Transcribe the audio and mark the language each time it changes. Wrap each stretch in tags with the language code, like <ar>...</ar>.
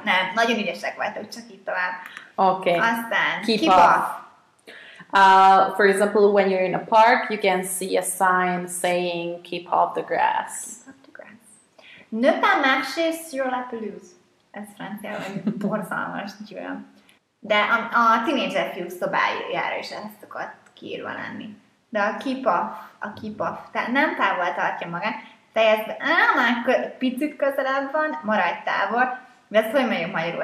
<hu>Nem, nagyon ügyesek vagytok, csak így tovább. Oké. Okay. Aztán, keep off.</hu> <en>For example, when you're in a park, you can see a sign saying, keep off the grass.</en> <fr>Ne pas marcher sur la pelouse.</fr> <hu>Ez francia, vagy borzalmas, gyűlöm. De a tínédzser fiúk szobájára is ezt szokott kiírva lenni. De a keep off, tehát nem távol tartja magát, fejezve, már picit közelebb van, maradj távol. De ezt hogy mondjuk magyarul?</hu>